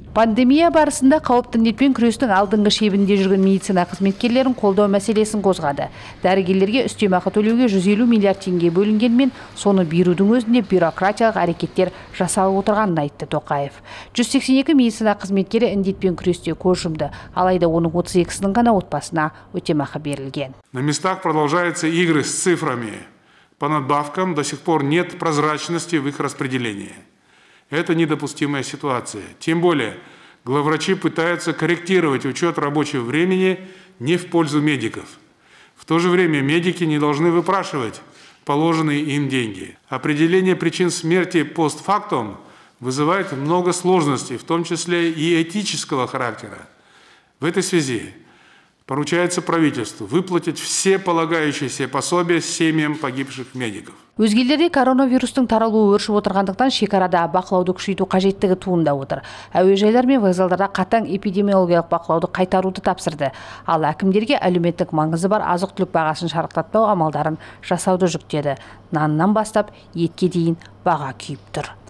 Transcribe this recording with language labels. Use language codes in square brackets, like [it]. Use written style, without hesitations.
[kk] Пандемия барысында қауіпті індетпен күрестің алдыңғы шебінде жүрген медицина қызметкерлерін қолдау мәселесін қозғады. Дәрігерлерге үстемақы төлеуге 150 миллиард теңге бөлінгенмен, соны берудің өзінде бюрократиялық әрекеттер жасалып отырғанын айтты Тоқаев. 182 медицина қызметкері індетпен күресте көз жұмды, алайда оның 32-сінің ғана отбасына өтемақы берілген. [ru] На местах продолжаются игры с цифрами. По надбавкам до сих пор нет прозрачности в их распределении. Это недопустимая ситуация. Тем более, главврачи пытаются корректировать учет рабочего времени не в пользу медиков. В то же время медики не должны выпрашивать положенные им деньги. Определение причин смерти постфактум вызывает много сложностей, в том числе и этического характера. В этой связи поручается правительству выплатить все полагающиеся пособия семьям погибших медиков. [kk] Өзгелерде коронавирустың таралуы өршіп отырғандықтан шекарада бақылауды күшейту қажеттігі туында отыр. Әуежайлар мен вокзалдарда қатаң эпидемиологиялық бақылауды қайтаруды тапсырды. Ал әкімдерге әлеуметтік маңызы бар азық-түлік бағасын шарықтатпау амалдарын жасауды жүктеді. Наннан бастап етке дейін баға күйіп тұр.